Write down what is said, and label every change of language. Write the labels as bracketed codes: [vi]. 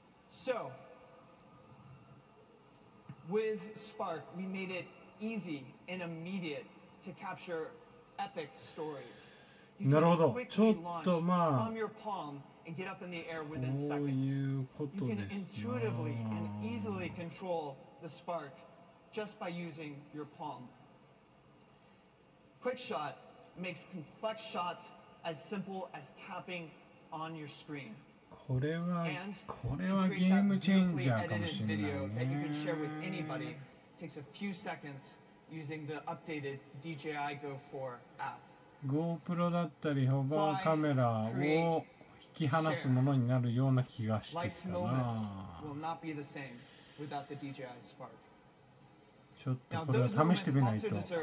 [en] So with Spark we made it easy and immediate to capture epic stories. [ja] なるほど、ちょっとまあそういうことですね。 [en] You can intuitively and easily control the Spark just by using your palm. Quick Shot makes complex shots as simple as tapping on your screen. [ja] これはゲームチェンジャーかもしれないね。 [en] That you can share with anybody takes a few seconds using the updated DJI Go 4 app. [ja] GoPro だったりホバーカメラを引き離すものになるような気がしてきたな。 [en] Will not be the same without the DJI Spark. [ja] ちょっとこれを試してみないと。